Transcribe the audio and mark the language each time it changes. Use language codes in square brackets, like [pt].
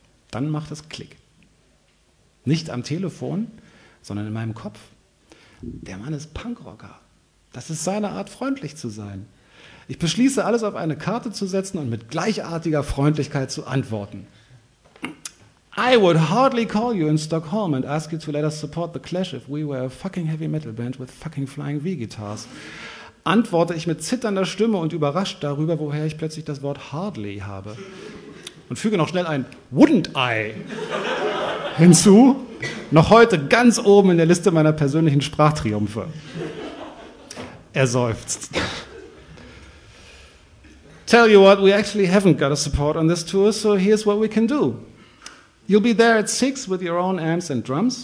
[de] Dann macht es Klick. Nicht am Telefon, sondern in meinem Kopf. Der Mann ist Punkrocker. Das ist seine Art, freundlich zu sein. Ich beschließe, alles auf eine Karte zu setzen und mit gleichartiger Freundlichkeit zu antworten. [en] I would hardly call you in Stockholm and ask you to let us support The Clash if we were a fucking heavy metal band with fucking Flying V guitars. [de] Antworte ich mit zitternder Stimme und überrascht darüber, woher ich plötzlich das Wort hardly habe. Und füge noch schnell ein [en] wouldn't I [de] hinzu. Noch heute ganz oben in der Liste meiner persönlichen Sprachtriumphe. Er seufzt. [en] Tell you what, we actually haven't got a support on this tour, so here's what we can do. You'll be there at 6 with your own amps and drums.